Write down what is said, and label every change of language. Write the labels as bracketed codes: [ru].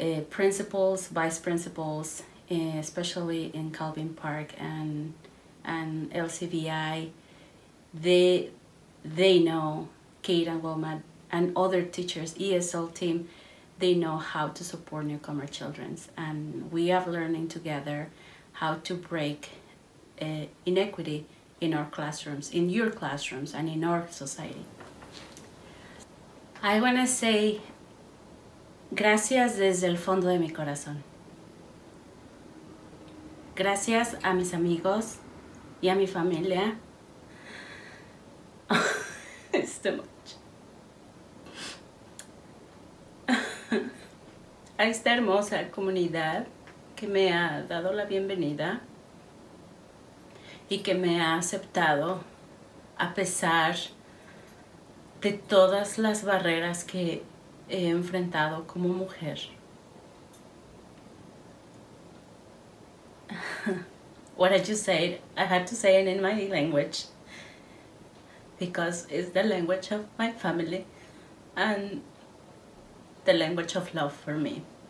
[en] Principals, vice principals, especially in Calvin Park and LCVI, they know Kate and Wilma and other teachers, ESL team, they know how to support newcomer children. And we are learning together how to break inequity in our classrooms, in your classrooms, and in our society. I want to say [es] gracias desde el fondo de mi corazón. Gracias a mis amigos y a mi familia. [en] It's too much. [es] A esta hermosa comunidad que me ha dado la bienvenida y que me ha aceptado a pesar de todas las barreras que he enfrentado como mujer. [en] What I just said, I had to say it in my language because it's the language of my family and the language of love for me.